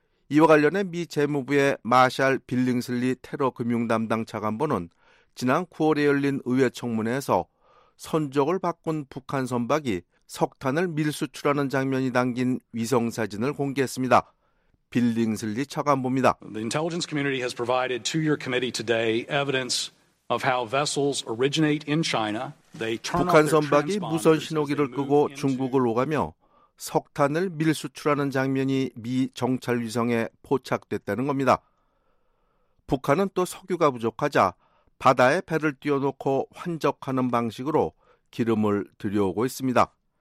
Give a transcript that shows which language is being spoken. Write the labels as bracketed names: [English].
[Korean] 이와 관련해 미 재무부의 마샬 빌링슬리 테러 금융 담당 차관보는 지난 9월에 열린 의회 청문회에서 선적을 바꾼 북한 선박이 석탄을 밀수출하는 장면이 담긴 위성사진을 공개했습니다. 빌링슬리 차관보입니다. [English] The intelligence community has provided to your committee today evidence of how vessels originate in China. [Korean] 북한 선박이 무선 신호기를 끄고 중국을 오가며 석탄을 밀수출하는 장면이 미 정찰위성에 포착됐다는 겁니다. 북한은 또 석유가 부족하자 바다에 배를 띄워놓고 환적하는 방식으로 기름을 들여오고 있습니다.